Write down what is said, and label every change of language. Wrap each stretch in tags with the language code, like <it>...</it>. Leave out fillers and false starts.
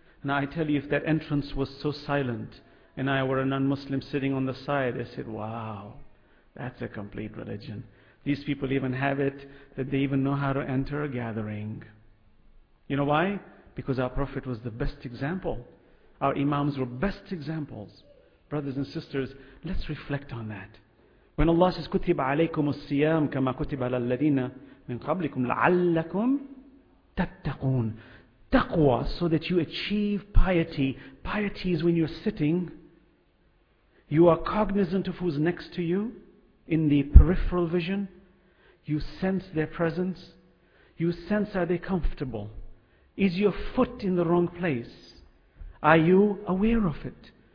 <en>Now I tell you, if that entrance was so silent and I were a non-Muslim sitting on the side, I said, wow, that's a complete religion. These people even have it that they even know how to enter a gathering. You know why? Because our Prophet was the best example. Our Imams were best examples. Brothers and sisters, let's reflect on that. When Allah says,</en> <ar>كُتِبَ عَلَيْكُمُ السِّيَامُ كَمَا كُتِبَ عَلَى الَّذِينَ مِنْ قَبْلِكُمْ لَعَلَّكُمْ تَتَّقُونَ.</ar> <en>Taqwa, so that you achieve piety. Piety is when you're sitting, you are cognizant of who's next to you in the peripheral vision, you sense their presence, you sense, are they comfortable? Is your foot in the wrong place? Are you aware of it?</en>